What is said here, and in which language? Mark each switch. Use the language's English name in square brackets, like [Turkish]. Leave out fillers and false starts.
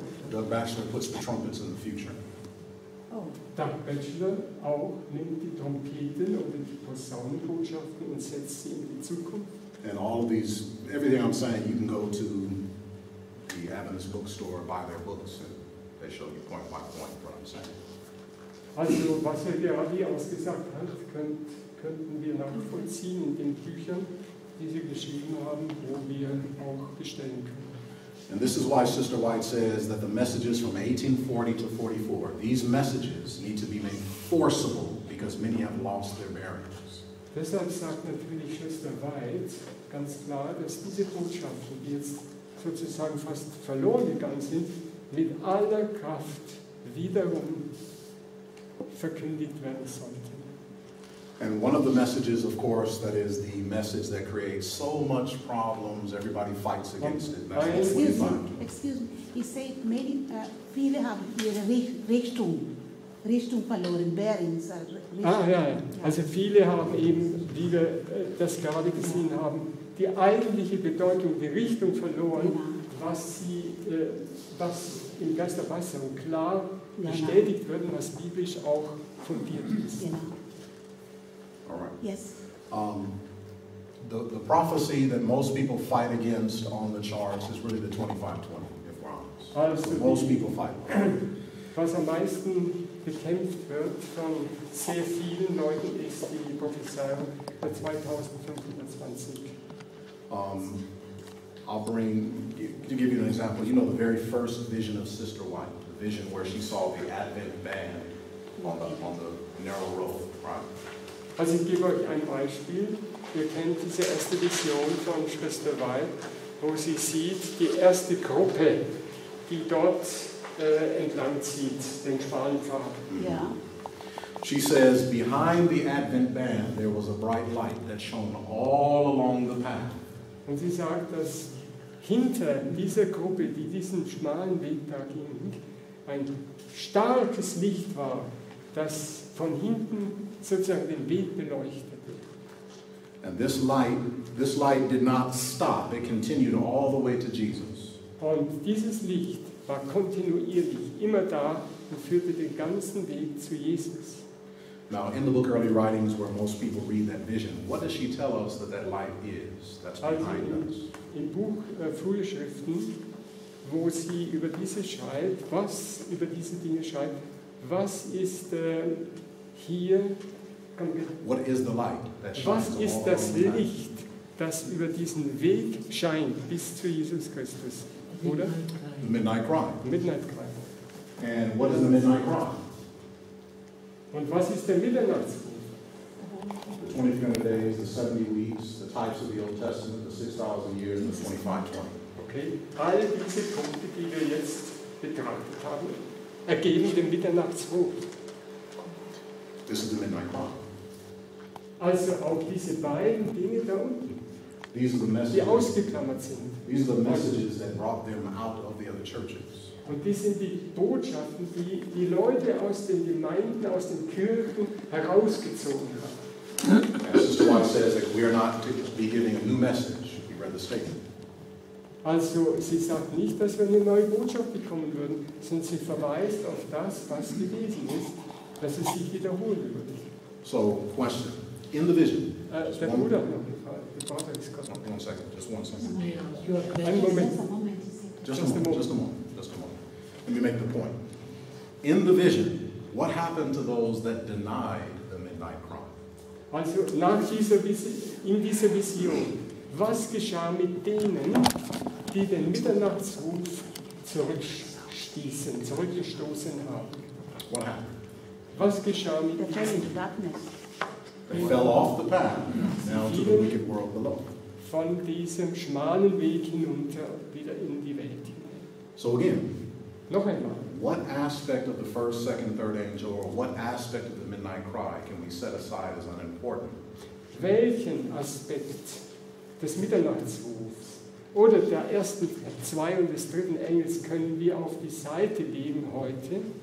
[English] Doug Batchelor puts the trumpets in the future. [German] Doug Batchelor auch nimmt die Trompeten oder die Posaunenbotschaften und setzt sie in die Zukunft. [English] And all of these, everything I'm saying, you can go to the Adventist bookstore, buy their books, and they show you point by point what I'm saying. [German] Also, was er gerade ausgesagt hat, könnten wir nachvollziehen in den Büchern, die sie geschrieben haben, wo wir auch bestellen können. [English] And this is why Sister White says that the messages from 1840 to 44, these messages need to be made forcible because many have lost their bearings. [German] Deshalb sagt natürlich Schwester White ganz klar, dass diese Botschaften, die jetzt sozusagen fast verloren gegangen sind, mit aller Kraft wiederum verkündigt werden sollten. [English] And one of the messages, of course, that is the message that creates so much problems, everybody fights against it. Excuse me. He said many, [German] viele haben ihre Richtung verloren, bearings. Also viele haben eben, wie wir das gerade gesehen haben, die eigentliche Bedeutung, die Richtung verloren, was sie, was im Geist der Weisung klar bestätigt wird, was biblisch auch fundiert ist. [English] All right. Yes. The prophecy that most people fight against on the charts is really the 2520, if we're honest. [German] Also [English] most people fight. [German] Was am meisten bekämpft wird von sehr vielen Leuten ist die Prophezeiung der 2520. [English] I'll give you an example. You know the very first vision of Sister White, the vision where she saw the Advent band on the narrow road, right? [German] Also ich gebe euch ein Beispiel. Ihr kennt diese erste Vision von Schwester White, wo sie sieht, die erste Gruppe, die dort entlang zieht, den schmalen Pfad. [English] Yeah. She says, behind the Advent band, there was a bright light that shone all along the path. [German] Und sie sagt, dass hinter dieser Gruppe, die diesen schmalen Weg da ging, ein starkes Licht war, das von hinten sozusagen den Weg beleuchtete. [English] And this light did not stop. It continued all the way to Jesus. [German] Und dieses Licht war kontinuierlich immer da und führte den ganzen Weg zu Jesus. [English] Now, in the book Early Writings, where most people read that vision, what does she tell us that light is that's behind [German] also [English] us? [German] Im Buch Frühe Schriften, wo sie über diese schreibt, was über diese Dinge schreibt, was ist hier, [English] what is the light that shines? [German] Was ist das Licht, das über diesen Weg scheint bis zu Jesus Christus, oder? [English] The midnight cry. Midnight cry. And what is the midnight cry? [German] Und was ist der Mitternachtsruf? [English] The 2300 days, the 70 weeks, the types of the Old Testament, the 6000 years, and the 2520. Okay. [German] All diese Punkte, die wir jetzt betrachtet haben, ergeben den Mitternachtsruf. [English] This is the midnight cry. [German] Also auch diese beiden Dinge da unten, [English] these are the messages, [German] die ausgeklammert sind. [English] These are the messages that brought them out of the other churches. [German] Und dies sind die Botschaften, die die Leute aus den Gemeinden, aus den Kirchen herausgezogen haben. [English] As Sister White says, that we are not to be giving a new message. We read the statement. [German] Also sie sagt nicht, dass wir eine neue Botschaft bekommen würden, sondern sie verweist auf das, was gewesen ist, dass es sich wiederholen würde. [English] So, question. In the vision. [German] Der Bruder hat noch eine Frage. Der Vater ist gerade. [English] One second. Just a moment. Let me make the point. In the vision, what happened to those that denied the midnight cry? [German] Also nach dieser in dieser Vision, was geschah mit denen, die den Mitternachtsruf zurückgestoßen haben? [English] What happened? [German] Was geschah mit ihnen? [English] They fell off the path now to the wicked world below. [German] Von diesem schmalen Weg hinunter wieder in die Welt. [English] So again. [German] Noch einmal. [English] What aspect of the first, second, third angel, or what aspect of the midnight cry can we set aside as unimportant? [German] Welchen Aspekt des Mitternachtsrufs oder der ersten, zwei und des dritten Engels können wir auf die Seite legen heute?